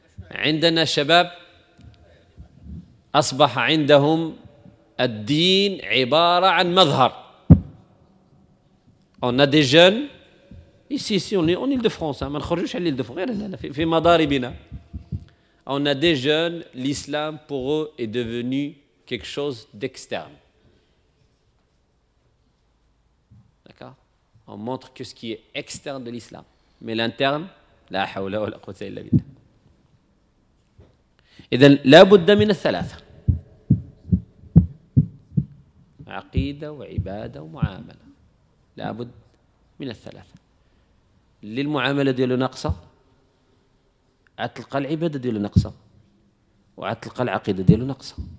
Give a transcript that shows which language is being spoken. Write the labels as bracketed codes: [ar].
[ar] عندنا شباب أصبح عندهم الدين عبارة عن مظهر. [fr] On a des jeunes ici, ici, en Île-de-France, [ar] ما نخرجوش على [fr] Île-de-France, [ar] غير هنا في مضاربنا. [fr] On a des jeunes, l'islam pour eux est devenu quelque chose d'externe. D'accord ? On montre que ce qui est externe de l'islam, mais l'interne, [ar] لا حول ولا قوة إلا بالله. إذن لابد من الثلاثة, عقيدة وعبادة ومعاملة. لابد من الثلاثة. للمعاملة ديالو ناقصة عتلقى العبادة ديالو ناقصة وعتلقى العقيدة ديالو ناقصة.